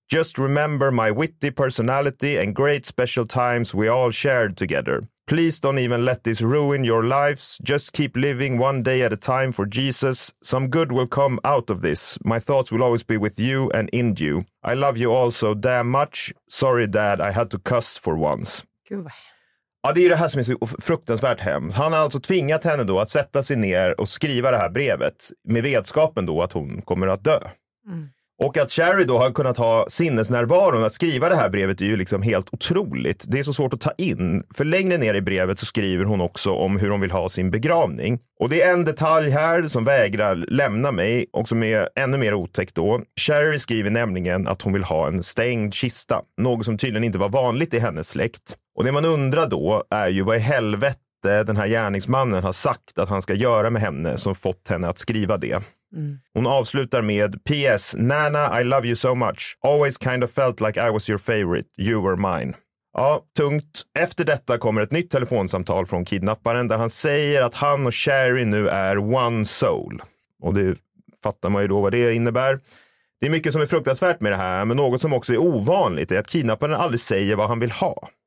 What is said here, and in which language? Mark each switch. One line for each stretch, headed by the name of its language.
English: Just remember my witty personality and great special times we all shared together. Please don't even let this ruin your lives. Just keep living one day at a time for Jesus. Some good will come out of this. My thoughts will always be with you and in you. I love you all so damn much. Sorry, dad, I had to cuss for once.
Swedish: Gud. Ja, det är ju det här som är så fruktansvärt hemskt. Han har alltså tvingat henne då att sätta sig ner och skriva det här brevet med vetskapen då att hon kommer att dö. Och att Sherry då har kunnat ha sinnesnärvaron att skriva det här brevet är ju liksom helt otroligt. Det är så svårt att ta in. För längre ner i brevet så skriver hon också om hur hon vill ha sin begravning. Och det är en detalj här som vägrar lämna mig och som är ännu mer otäckt då. Sherry skriver nämligen att hon vill ha en stängd kista. Något som tydligen inte var vanligt i hennes släkt. Och det man undrar då är ju vad i helvete den här gärningsmannen har sagt att han ska göra med henne som fått henne att skriva det. Hon avslutar med:
English: P.S. Nana, I love you so much. Always kind of felt like I was your favorite. You were mine.
Swedish: Ja, tungt. Efter detta kommer ett nytt telefonsamtal från kidnapparen där han säger att han och Sherry nu är one soul. Och det fattar man ju då vad det innebär. Det är mycket som är fruktansvärt med det här, men något som också är ovanligt är att kidnapparen aldrig säger vad han vill ha.